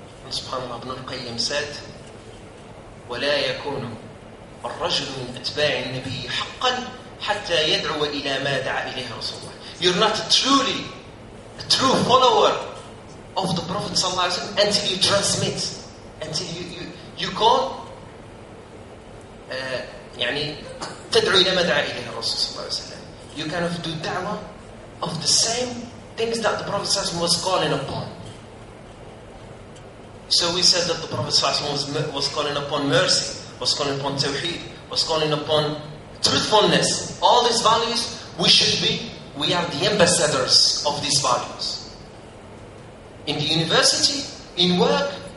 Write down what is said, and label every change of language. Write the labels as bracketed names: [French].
[Arabic] سبحان الله. ابن القيم [English] said, [Arabic] ولا يكون الرجل من أتباع النبي حقا حتى يدعو إلى ما دعا إليه رسول الله. [English] You're not truly a true follower of the Prophet صلى الله عليه وسلم until you transmit, until you call. [Arabic] يعني تدعو إلى ما دعا إليه الرسول صلى الله عليه وسلم. [English] You kind of do da'wah of the same things that the Prophet صلى الله عليه وسلم was calling upon. So we said that the Prophet صلى الله عليه وسلم was calling upon mercy, was calling upon tawheed, was calling upon truthfulness. All these values, we are the ambassadors of these values. In the university, in work,